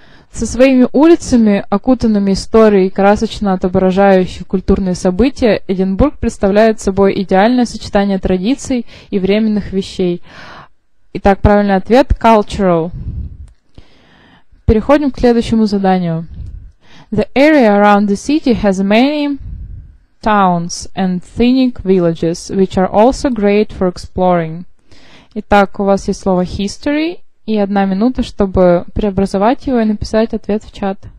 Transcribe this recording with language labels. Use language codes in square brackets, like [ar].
[ru] Со своими улицами, окутанными историей, красочно отображающей культурные события, Эдинбург представляет собой идеальное сочетание традиций и временных вещей. Итак, правильный ответ – cultural. Переходим к следующему заданию. [en] The area around the city has many towns and scenic villages, which are also great for exploring. [ru] Итак, у вас есть слово history и одна минута, чтобы преобразовать его и написать ответ в чат.